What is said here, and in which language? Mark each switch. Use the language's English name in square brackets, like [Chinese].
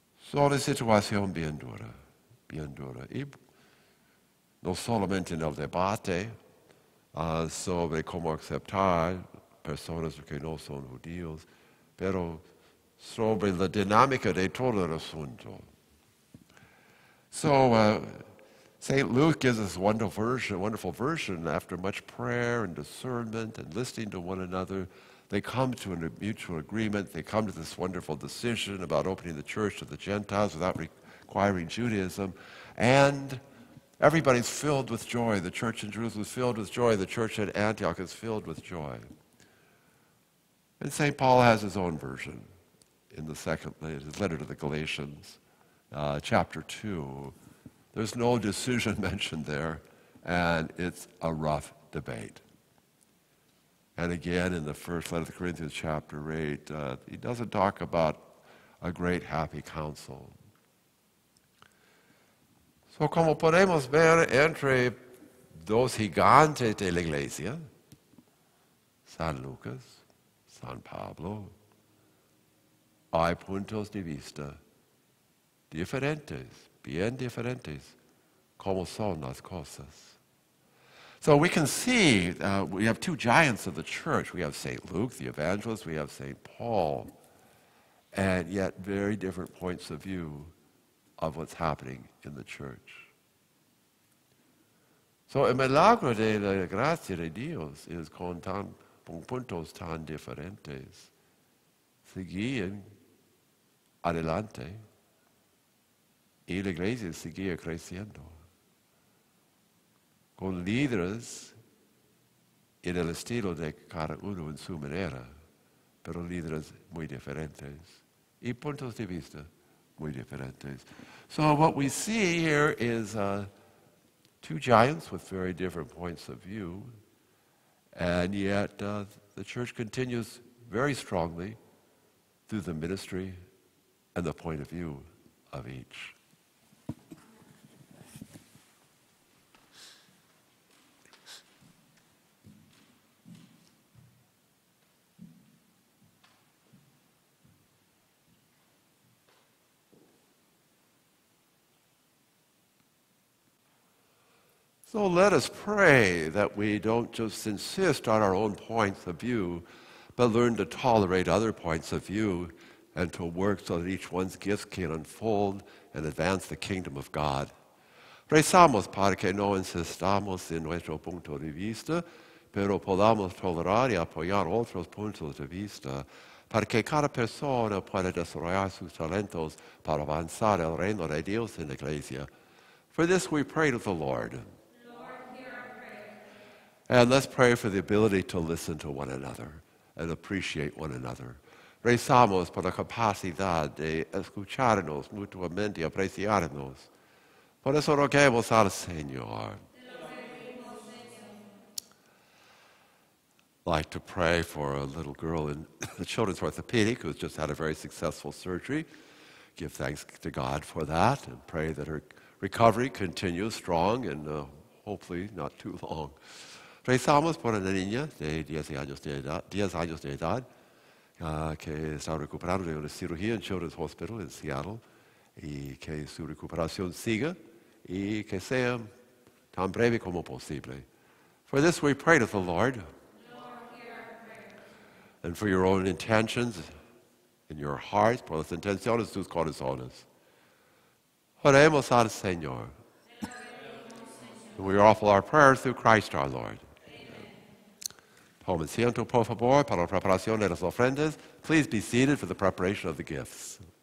[Spanish] So, una situación bien dura, bien dura. Y no solamente en el debate sobre cómo aceptar personas que no son judíos, pero sobre la dinámica de todo el asunto. [English] So, St. Luke gives us a wonderful version, after much prayer and discernment and listening to one another, they come to a mutual agreement, they come to this wonderful decision about opening the church to the Gentiles without requiring Judaism, and everybody's filled with joy. The church in Jerusalem is filled with joy, the church in Antioch is filled with joy. And St. Paul has his own version in the second letter to the Galatians, chapter 2. There's no decision mentioned there, and it's a rough debate. And again, in the first letter of the Corinthians, chapter 8, he doesn't talk about a great happy council. [Spanish] So, como podemos ver, entre dos gigantes de la iglesia, San Lucas, San Pablo, hay puntos de vista diferentes, bien diferentes, como son las cosas. [English] So we can see we have two giants of the church. We have St. Luke, the evangelist, we have St. Paul, and yet very different points of view of what's happening in the church. [Spanish] So el milagro de la gracia de Dios es con tan con puntos tan diferentes. Seguían adelante y la iglesia seguía creciendo con líderes en el estilo de cada uno en su manera, pero líderes muy diferentes y puntos de vista muy diferentes. [English] So what we see here is two giants with very different points of view, and yet the church continues very strongly through the ministry and the point of view of each. So let us pray that we don't just insist on our own points of view, but learn to tolerate other points of view and to work so that each one's gifts can unfold and advance the kingdom of God. [Spanish] Rezamos para que no insistamos en nuestro punto de vista, pero podamos tolerar y apoyar otros puntos de vista, para que cada persona pueda desarrollar sus talentos para avanzar el reino de Dios en la iglesia. [English] For this we pray to the Lord. And let's pray for the ability to listen to one another and appreciate one another. [Spanish] Rezamos por la capacidad de escucharnos mutuamente y apreciarnos. Por eso roguemos al Señor. [English] I'd like to pray for a little girl in the children's orthopedic who's just had a very successful surgery. Give thanks to God for that and pray that her recovery continues strong and hopefully not too long. [Spanish] Rezamos por una niña de 10 años de edad que está recuperando de una cirugía en Children's Hospital en Seattle y que su recuperación siga y que sea tan breve como posible. [English] For this we pray to the Lord. Lord, hear our prayer. And for your own intentions in your heart, [Spanish] por las intenciones de tus corazones. Oremos al Señor. [English] We offer our prayers through Christ our Lord. [Spanish] Siento, por favor, para la preparación de las ofrendas. [English] Please be seated for the preparation of the gifts.